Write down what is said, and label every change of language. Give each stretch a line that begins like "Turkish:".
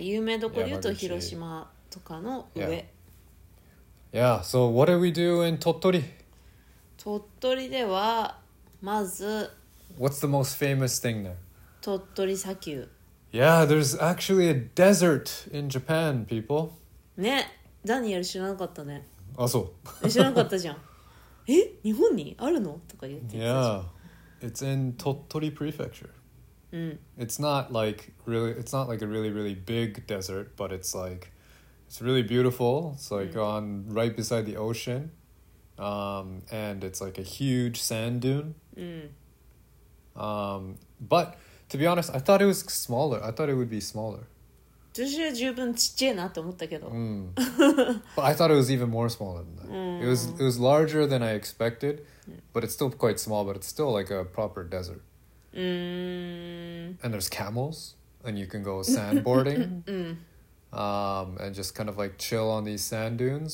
Japanese: 有名どこで言うと広島とかの上。
English: Yeah, so what did we do in Tottori?
Japanese: Tottori では、まず…
English: What's the most famous thing there?
Japanese: Tottori 砂丘。
English: Yeah, there's actually a desert in Japan, people.
Japanese: ね、ダニエル知らなかったね。あ、そう。知らなかったじゃん。え、日本にあるの?とか言ってたじゃん。
English: Yeah, it's in Tottori Prefecture. It's not like really, it's not like a really, really big desert, but it's like…It's really beautiful. It's like on right beside the ocean. And it's like a huge sand dune. But to be honest, I thought it was smaller. I thought it would be smaller.
Japanese: 私は十分ちっちゃいなって思ったけど。
English: But I thought it was even more smaller than that. It was larger than I expected. But it's still quite small. But it's still like a proper desert. And there's camels. And you can go sandboarding. And just kind of like chill on these sand dunes.